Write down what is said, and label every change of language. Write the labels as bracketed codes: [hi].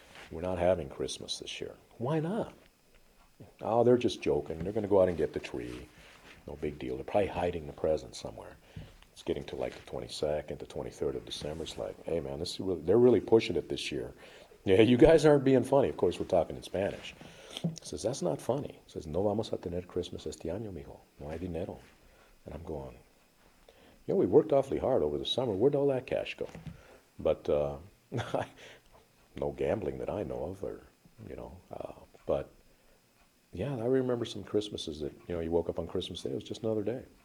[en] We're not having Christmas this year. Why not? Oh, they're just joking. They're going to go out and get the tree. No big deal. They're probably hiding the present somewhere. It's getting to like the 22nd, the 23rd of December. It's like, hey, man, this is really, they're really pushing it this year. Yeah, you guys aren't being funny. Of course, we're talking in Spanish. He says, that's not funny. He says, [es] no vamos a tener Christmas este año, mijo. No hay dinero. [en] And I'm going, you know, we worked awfully hard over the summer. Where'd all that cash go? But no gambling that I know of, or, you know. But, yeah, I remember some Christmases that, you know, you woke up on Christmas Day. It was just another day.